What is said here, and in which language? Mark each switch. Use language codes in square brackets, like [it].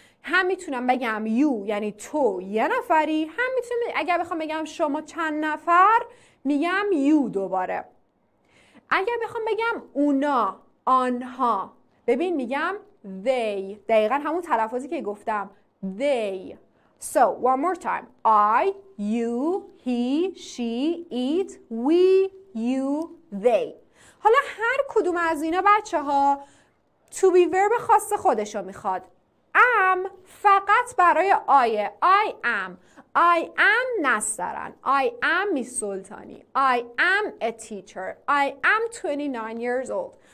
[fa] هم میتونم بگم you یعنی تو یه نفری، هم میتونم اگر بخوام بگم شما چند نفر میگم you دوباره. اگر بخوام بگم اونا، آنها، ببین میگم they، دقیقا همون تلفظی که گفتم they. [en] So one more time: I, you, he, she, it, we, you, they. [fa] حالا هر کدوم از اینا بچه ها to be verb خاص خودشو میخواد. [en] Am [fa] فقط برای آیه. [en] I am. I am Nastaran. I am Miss Soltani. I am a teacher. I am 29 years old.